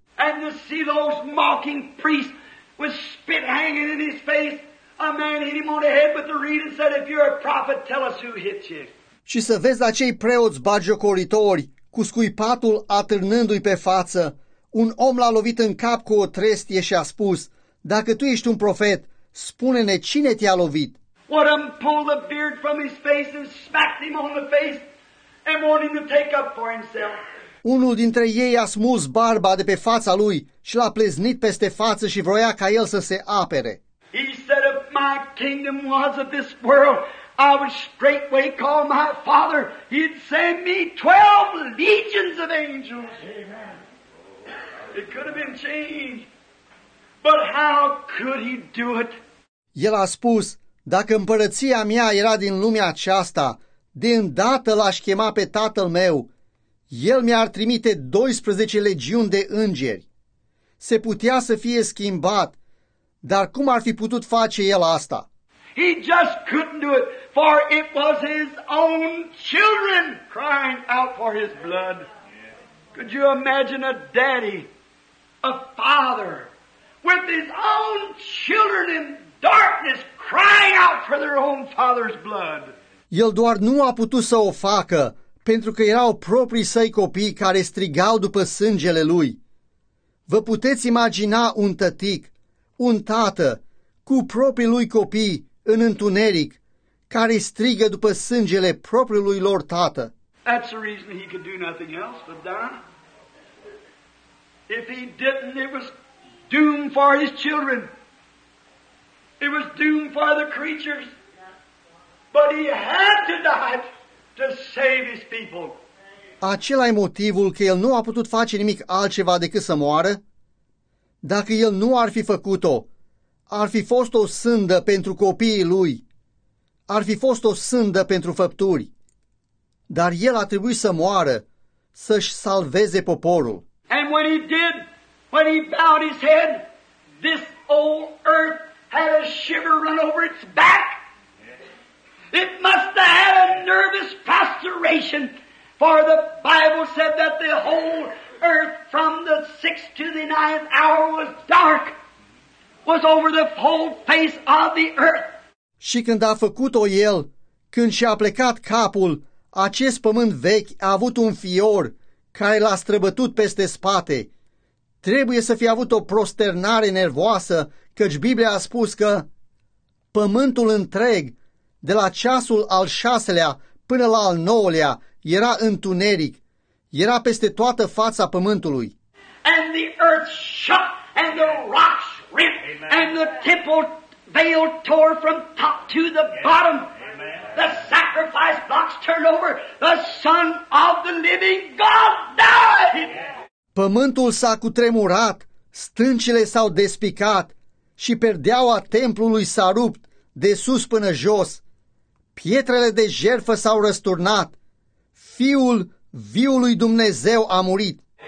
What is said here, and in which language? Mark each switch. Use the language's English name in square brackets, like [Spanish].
[English] And to see those mocking priests with spit hanging in his face, a man hit him on the head with the reed and said, if you're a prophet, tell us who hit you. [Romanian] Și să vezi acei preoți bagiocoritori cu scuipatul atârnându-i pe față. Un om l-a lovit în cap cu o trestie și a spus, dacă tu ești un profet, spune-ne cine te-a lovit. [English] What him pulled the beard from his face and smacked him on the face and wanted him to take up for himself. [Romanian] Unul dintre ei a smuls barba de pe fața lui și l-a pleznit peste față și vroia ca el să se apere. [English] He said, if my kingdom was of this world, I would straightway call my father. He'd send me 12 legions of angels. Amen. It could have been changed. But how could he do it? [Romanian] El a spus, dacă împărăția mea era din lumea aceasta, de îndată l-aș chema pe tatăl meu. El mi-ar trimite 12 legiuni de îngeri. Se putea să fie schimbat, dar cum ar fi putut face el asta? [English] He just couldn't do it, for it was his own children crying out for his blood. Could you imagine a daddy, a father, with his own children in darkness crying out for their own father's blood? [Romanian] El doar nu a putut să o facă, pentru că erau proprii săi copii care strigau după sângele lui. Vă puteți imagina un tătic, un tată, cu proprii lui copii, în întuneric, care strigă după sângele propriului lor tată. [English] That's the reason he could do nothing else but die. If he didn't, it was doomed for his children. It was doomed for the creatures. But he had to die to save his people. [Romanian] Acela-i motivul că el nu a putut face nimic altceva decât să moară? Dacă el nu ar fi făcut-o, ar fi fost o sândă pentru copiii lui. Ar fi fost o sândă pentru făpturi. Dar el a trebuit să moară, să-și salveze poporul. [English] And when he did, when he bowed his head, this old earth had a shiver run over its back. It must have had a nervous prostration, for the Bible said that the whole earth from the 6th to the 9th hour was dark. Was over the whole face of the earth. [Romanian] Și când a făcut-o el, când și-a plecat capul, acest pământ vechi a avut un fior care l-a străbătut peste spate. Trebuie să fi avut o prosternare nervoasă, căci Biblia a spus că pământul întreg, de la ceasul al 6-lea până la al 9-lea, era întuneric, era peste toată fața pământului. [English] And the earth shook and the rocks ripped. Amen. And the temple veil tore from top to the bottom. Amen. The sacrifice box turned over. The Son of the living God died. Amen. [Romanian] Pământul s-a cutremurat, stâncile s-au despicat și perdeaua templului s-a rupt de sus până jos. Pietrele de jertfă s-au răsturnat. Fiul viului Dumnezeu a murit.